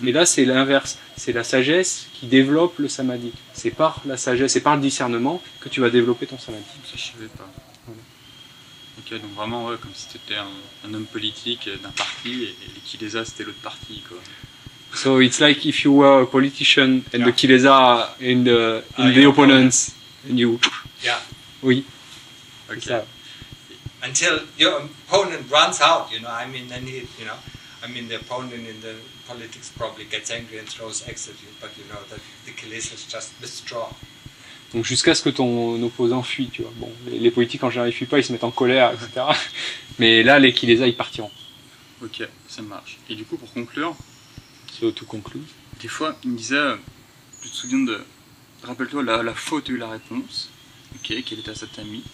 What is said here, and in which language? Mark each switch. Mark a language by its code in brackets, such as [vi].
[fr] Mais là c'est l'inverse, c'est la sagesse qui développe le samadhi. C'est par la sagesse, c'est par le discernement que tu vas développer ton samadhi. Ça je savais pas. Voilà. Ok, donc vraiment ouais, comme si tu étais un homme politique d'un parti et les kilesas c'était l'autre parti quoi. [en] So it's like if you were a politician and the kilesa and the opponents and you. Yeah. [fr] Oui. [en] Okay. Until your opponent runs out, you know. I mean, then he, you know, I mean, the opponent in the politics probably gets angry and throws eggs at you, but you know that the kilesa is just withdraw. [fr] Donc jusqu'à ce que ton opposant fuit, tu vois. Bon, les politiques en général ils fuient pas, ils se mettent en colère, etc. Mais là, les kilesa ils partiront. Ok, ça marche. Et du coup, pour conclure. [en] To conclude. [fr] Des fois, il me disait, je te souviens de, rappelle-toi, la fois où tu as eu la réponse, ok, quel état ça t'a mis.